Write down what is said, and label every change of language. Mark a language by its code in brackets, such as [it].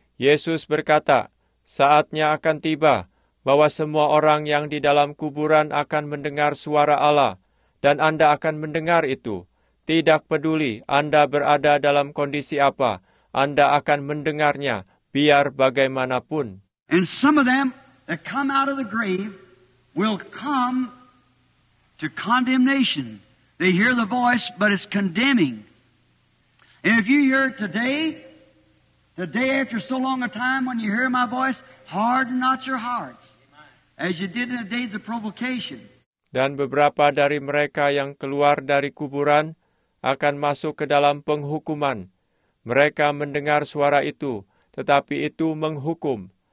[id] Yesus berkata, saatnya akan tiba, bahwa semua orang yang di dalam kuburan akan mendengar suara Allah, dan Anda akan mendengar itu. Tidak peduli Anda berada dalam kondisi apa, Anda akan mendengarnya, biar bagaimanapun. [en] And some of them that come out of the grave will come to condemnation. They hear the voice, but it's condemning. And if you hear it today, the day after so long a time when you hear my voice, harden not your hearts, as you did in the days of provocation. [id] Dan beberapa dari mereka yang keluar dari kuburan akan masuk ke dalam penghukuman. Mereka mendengar suara itu, tetapi itu menghukum.